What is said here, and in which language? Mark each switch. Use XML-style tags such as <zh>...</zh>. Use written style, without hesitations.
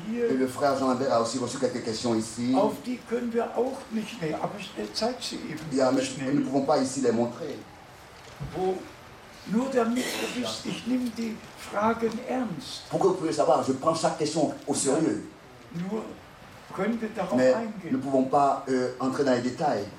<fr>Et le frère Jean-Lambert a aussi reçu quelques questions ici. Mais nous ne pouvons pas ici les montrer.</fr> <de>Nur damit ihr wisst, ich nehme die Fragen ernst.</de> <fr>Pour que vous puissiez savoir, je prends chaque question au sérieux.</fr> <de>Nur können wir darauf</de> <fr>Mais</fr> <de>eingehen.</de> <fr>Nous ne pouvons pas entrer dans les détails.</fr>